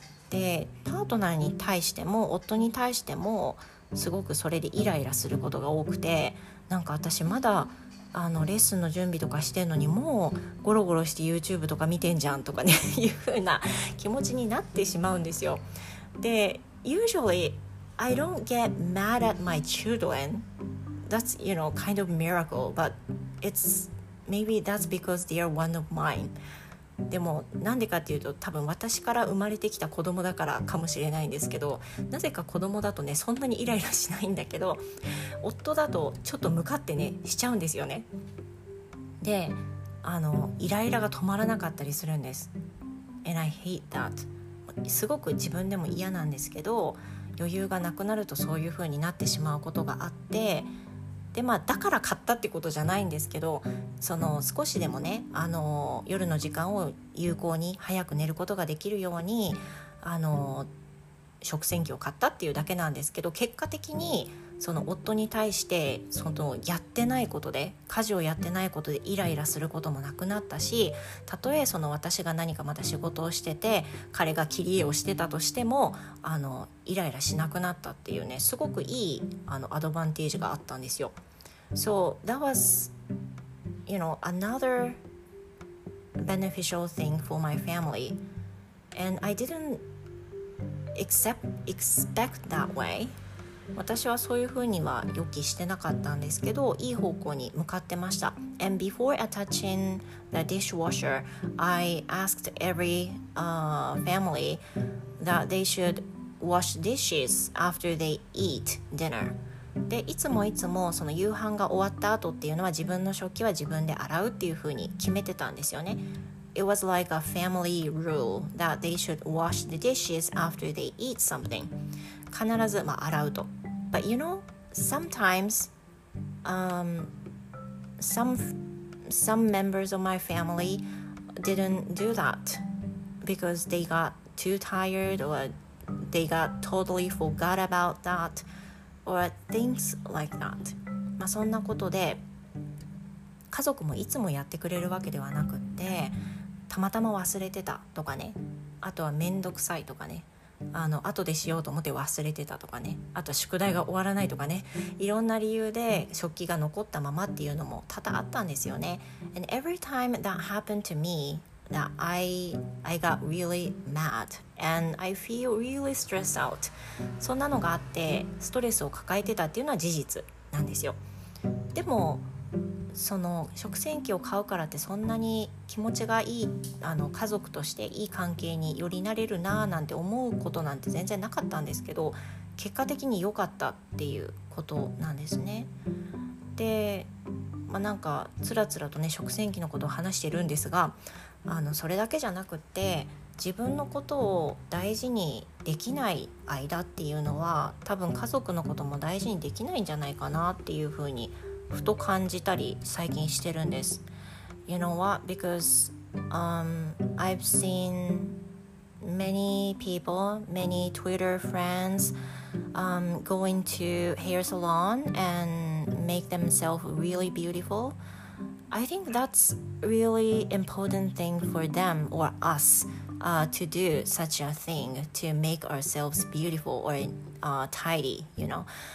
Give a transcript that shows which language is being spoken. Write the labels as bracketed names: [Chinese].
[Japanese] で、パートナーに対しても夫に対してもすごくそれでイライラすることが多くて、なんか私まだレッスンの準備とかしてんのにもうゴロゴロして YouTube とか見てんじゃんとかねいう風な気持ちになってしまうんですよ。 [English] で、usually I don't get mad at my children. That's, you know, kind of miracle, but it'sMaybe that's because they are one of mine. [Japanese] でもなんでかっていうと、多分私から生まれてきた子供だからかもしれないんですけど、なぜか子供だとねそんなにイライラしないんだけど、夫だとちょっと向かってねしちゃうんですよね。で、イライラが止まらなかったりするんです。 [English] And I hate that. [Japanese] すごく自分でも嫌なんですけど、余裕がなくなるとそういう風になってしまうことがあって、で、まあ、だから買ったってことじゃないんですけど、その少しでもね夜の時間を有効に早く寝ることができるように食洗機を買ったっていうだけなんですけど、結果的にその夫に対してそのやってないことで、家事をやってないことでイライラすることもなくなったし、たとえその私が何かまた仕事をしてて彼が切り絵をしてたとしてもイライラしなくなったっていうね、すごくいいアドバンテージがあったんですよ。 [English] So that was another beneficial thing for my family. And I didn't expect that way. [Japanese] 私はそういうふうには予期してなかったんですけど、いい方向に向かってました。 [English] And before attaching the dishwasher, I asked every family that they should wash dishes after they eat dinner. [Japanese] で、いつもいつもその夕飯が終わった後っていうのは自分の食器は自分で洗うっていうふうに決めてたんですよね。 [English] it was like a family rule that they should wash the dishes after they eat something. [Japanese] 必ず、まあ、洗うと。 [English] But you know, sometimes, some members of my family didn't do that because they got too tired or they got totally forgot about that or things like that. [Japanese] まあそんなことで家族もいつもやってくれるわけではなくってたまたま忘れてたとかねあとはめんどくさいとかねあの後でしようと思って忘れてたとかねあと宿題が終わらないとかねいろんな理由で食器が残ったままっていうのも多々あったんですよね [English] And every time that happened to me that I got really mad and I feel really stressed out [Japanese] そんなのがあってストレスを抱えてたっていうのは事実なんですよでもその食洗機を買うからってそんなに気持ちがいいあの家族としていい関係によりなれるなぁなんて思うことなんて全然なかったんですけど結果的に良かったっていうことなんですねで、まあ、なんかつらつらとね食洗機のことを話してるんですがあのそれだけじゃなくって自分のことを大事にできない間っていうのは多分家族のことも大事にできないんじゃないかなっていうふうにふと感じたり最近してるんです [English] You know what? Because I've seen many people, many Twitter friends going to hair salon and make themselves really beautiful. I think that's really important thing for them or us to do such a thing to make ourselves beautiful or tidy, you know.